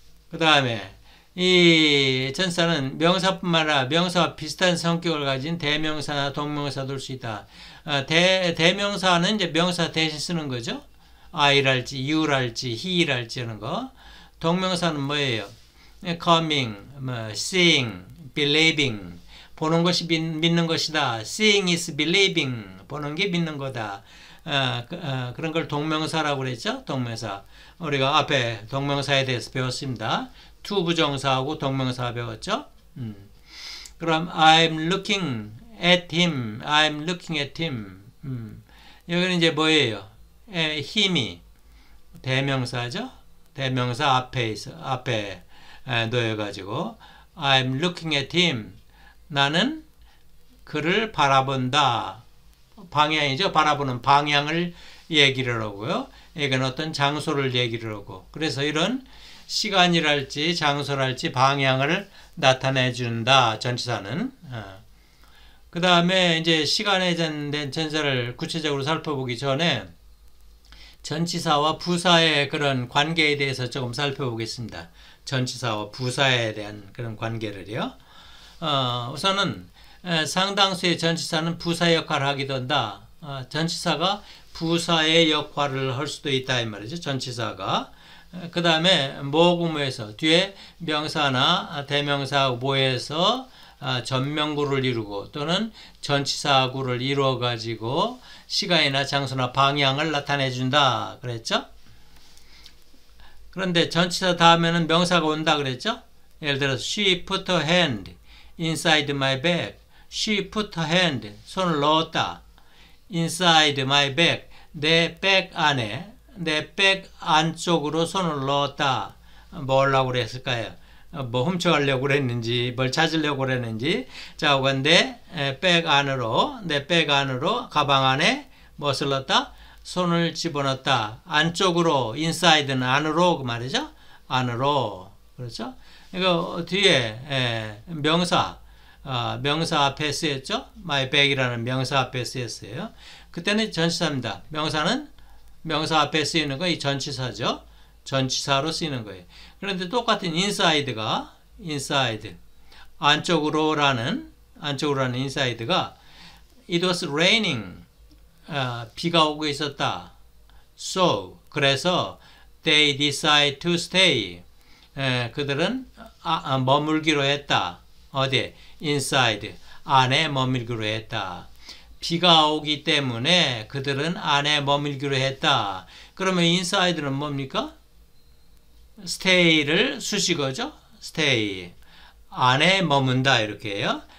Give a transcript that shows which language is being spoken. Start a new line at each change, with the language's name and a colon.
Korean: 그 다음에 이 전치사는 명사뿐만 아니라 명사와 비슷한 성격을 가진 대명사나 동명사도 할 수 있다. 대명사는 이제 명사 대신 쓰는 거죠. I랄지, U랄지, He랄지 하는 거. 동명사는 뭐예요?
English: Coming, Seeing, Believing.
Korean: 보는 것이 믿는 것이다.
English: Seeing is believing.
Korean: 보는 게 믿는 거다. 그런 걸 동명사라고 그랬죠. 동명사. 우리가 앞에 동명사에 대해서 배웠습니다. 투 부정사하고 동명사 배웠죠. 그럼
English: I'm looking at him. I'm looking at him.
Korean: 여기는 이제 뭐예요? him이 대명사죠. 대명사 앞에 놓여가지고
English: I'm looking at him.
Korean: 나는 그를 바라본다. 방향이죠. 바라보는 방향을 얘기를 하고요. 이건 어떤 장소를 얘기를 하고. 그래서 이런 시간이랄지 장소랄지 방향을 나타내 준다, 전치사는. 그 다음에 이제 시간에 관련된 전사를 구체적으로 살펴보기 전에 전치사와 부사의 그런 관계에 대해서 조금 살펴보겠습니다. 전치사와 부사에 대한 그런 관계를요. 우선은 상당수의 전치사는 부사 역할을 하기도 한다. 전치사가 부사의 역할을 할 수도 있다 이 말이죠. 전치사가. 그 다음에 모구무에서 뒤에 명사나 대명사 모에서 전명구를 이루고 또는 전치사구를 이루어 가지고 시간이나 장소나 방향을 나타내 준다 그랬죠. 그런데 전치사 다음에는 명사가 온다 그랬죠.
English: 예를 들어 she put her hand inside my bag. she put her hand
Korean: 손을 넣었다.
English: inside my bag
Korean: 내백 안에 내백 안쪽으로 손을 넣었다. 뭐라고 그랬을까요? 뭐 훔쳐가려고 그랬는지 뭘 찾으려고 그랬는지. 자, 근데 백 안으로 내백 안으로 가방 안에 무엇을 넣었다? 손을 집어넣었다. 안쪽으로 inside는 안으로 그 말이죠. 안으로 그렇죠? 이거 뒤에 명사 앞에 쓰였죠? My bag이라는 명사 앞에 쓰였어요. 그때는 전치사입니다. 명사는 명사 앞에 쓰이는 거, 이 전치사죠. 전치사로 쓰이는 거예요. 그런데 똑같은 inside가 inside 안쪽으로라는 inside가
English: it was raining
Korean: 비가 오고 있었다.
English: So
Korean: 그래서
English: they decide to stay
Korean: 그들은 머물기로 했다. 어디에? inside 안에 머물기로 했다. 비가 오기 때문에 그들은 안에 머물기로 했다. 그러면 inside는 뭡니까? stay를 수식어죠. stay 안에 머문다 이렇게요.